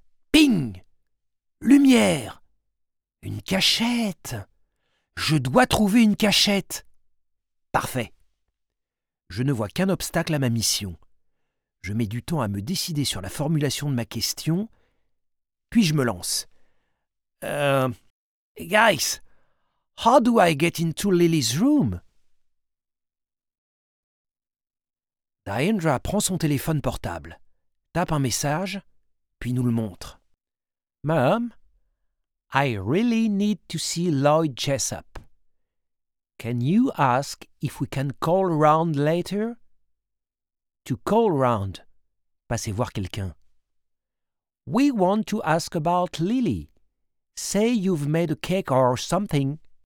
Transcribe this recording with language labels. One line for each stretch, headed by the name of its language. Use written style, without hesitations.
French: ping ! Lumière ! Une cachette ! Je dois trouver une cachette ! Parfait. Je ne vois qu'un obstacle à ma mission. Je mets du temps à me décider sur la formulation de ma question, puis je me lance.
English: Guys, how do I get into Lily's room?
French: Deirdre prend son téléphone portable, tape un message, puis nous le montre.
English: Mom, I really need to see Lloyd Jessop. Can you ask if we can call around later? To call around,
French: passer voir quelqu'un.
English: We want to ask about Lily. Say you've made a cake or something.